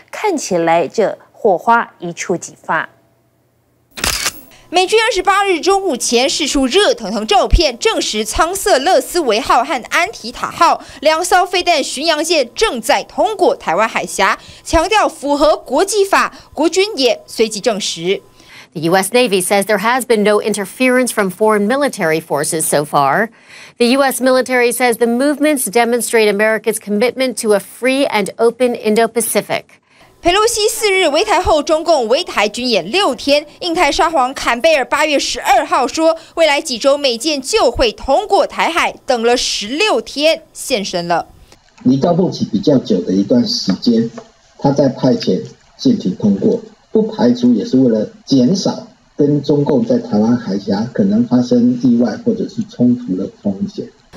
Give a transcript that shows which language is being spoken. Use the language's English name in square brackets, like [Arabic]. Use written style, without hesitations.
[Chinese] 看起来这火花一触即发。美军28日中午前释出热腾腾照片，证实舱色勒斯维号和安提塔号两艘飞弹巡洋舰正在通过台湾海峡，强调符合国际法。国军也随即证实。 [English] The U.S. Navy says there has been no interference from foreign military forces so far. The U.S. military says the movements demonstrate America's commitment to a free and open Indo-Pacific. [Chinese] 佩洛西4日围台后，中共围台军演6天。印太沙皇坎贝尔8月12号说，未来几周美舰就会通过台海，等了16天，现身了。离高峰期比较久的一段时间，他在派遣舰艇通过，不排除也是为了减少跟中共在台湾海峡可能发生意外或者是冲突的风险。